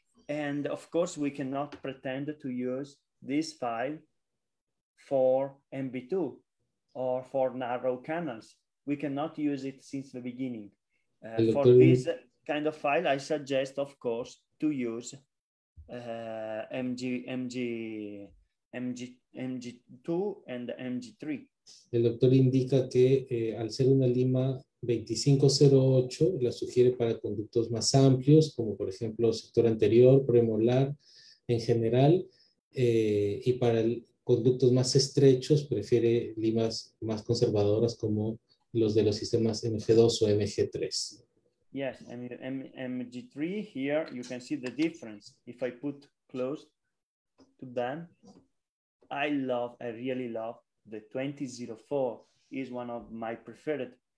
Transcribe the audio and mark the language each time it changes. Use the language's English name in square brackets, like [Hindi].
[English] And of course, we cannot pretend to use this file for MB2 or for narrow canals. We cannot use it since the beginning. For this kind of file, I suggest, of course, to use MG2 and MG3. [Spanish] El doctor indica que al ser una lima 2508 la sugiere para conductos más amplios, como por ejemplo sector anterior, premolar en general, y para conductos más estrechos prefiere limas más conservadoras como los de los sistemas MG2 o MG3. [English] Yes, MG3, here you can see the difference. If I put close to them, I really love the 2004, is one of my preferred.